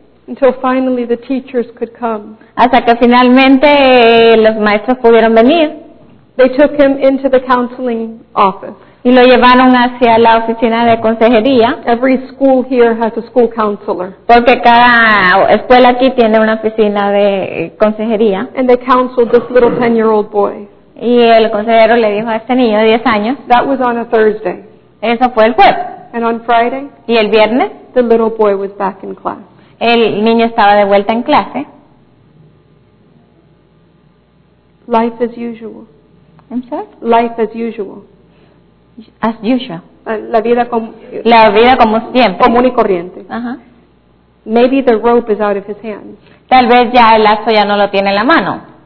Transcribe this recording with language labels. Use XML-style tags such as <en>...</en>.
<en>Until finally the teachers could come.</en> <es>Hasta que finalmente los maestros pudieron venir.</es> <en>They took him into the counseling office.</en> <es>Y lo llevaron hacia la oficina de consejería.</es> <en>Every school here has a school counselor.</en> <es>Porque cada escuela aquí tiene una oficina de consejería.</es> <en>And they counseled this little 10-year-old boy.</en> <es>Y el consejero le dijo a este niño de 10 años.</es> <en>That was on a Thursday.</en> <es>Eso fue el jueves.</es> <en>And on Friday.</en> <es>Y el viernes.</es> <en>The little boy was back in class.</en> <es>El niño estaba de vuelta en clase.</es> <en>Life as usual. I'm sorry? Life as usual. As usual.</en> <es>La vida como siempre. Común y corriente. Uh-huh.</es> <en>Maybe the rope is out of his hand.</en> <es>Tal vez ya el lazo ya no lo tiene en la mano.</es>